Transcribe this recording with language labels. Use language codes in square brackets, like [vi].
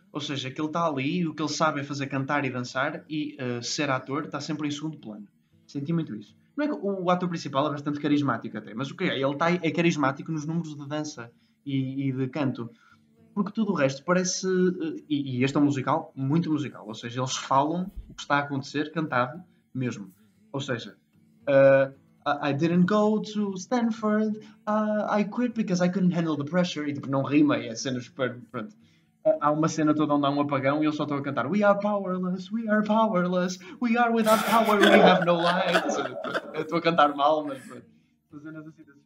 [pt] Ou seja, que ele está ali, o que ele sabe é fazer cantar e dançar, e ser ator está sempre em segundo plano. Senti muito isso. Não é que o ator principal é bastante carismático até, mas o que é? Ele está é carismático nos números de dança e de canto. Porque tudo o resto parece. E este é um musical, muito musical. Ou seja, eles falam o que está a acontecer, cantado mesmo. Ou seja, [en] I didn't go to Stanford, I quit because I couldn't handle the pressure. [pt] E tipo, não rima, e é cena super. Pronto. Há uma cena toda onde há um apagão e eles só estão a cantar [en] We are powerless, we are powerless, we are without power, we have no light. [pt] Eu estou a cantar mal, mas fazendo as assim.